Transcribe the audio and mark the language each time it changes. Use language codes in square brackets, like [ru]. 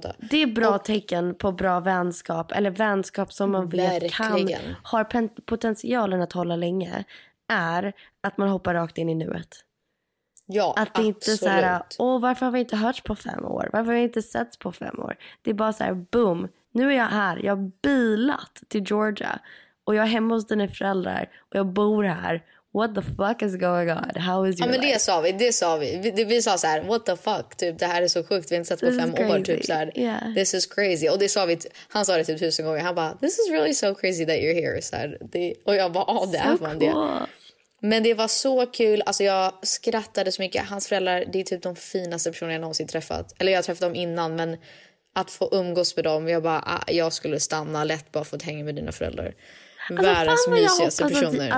[sv] Det är bra tecken på bra vänskap. Eller vänskap som man vet har potentialen att hålla länge. Är att man hoppar rakt in i nuet. Ja, att det inte är så här, varför har vi inte hört på 5 år? Varför har vi inte sett på 5 år? Det är bara så här, boom. Nu är jag här. Jag har bilat till Georgia. Och jag är hemma hos dina föräldrar. Och jag bor här. [en] What the fuck is going on? How is your life? [sv] Ja, men det sa vi. Vi sa så här, [en] what the fuck? [sv] Typ, det här är så sjukt. Vi har inte sett på 5 år. Typ, så här, [en] yeah. This is crazy. [sv] Och det sa vi. Han sa det typ 1000 gånger. Han bara, [en] this is really so crazy that you're here. [sv] Så här, och jag bara, det är fan det. Men det var så kul. Alltså jag skrattade så mycket. Hans föräldrar, det är typ de finaste personer jag någonsin träffat. Eller jag har träffat dem innan, men... Att få umgås med dem. Jag bara, jag skulle stanna lätt bara för att hänga med dina föräldrar. Världens mysigaste personer.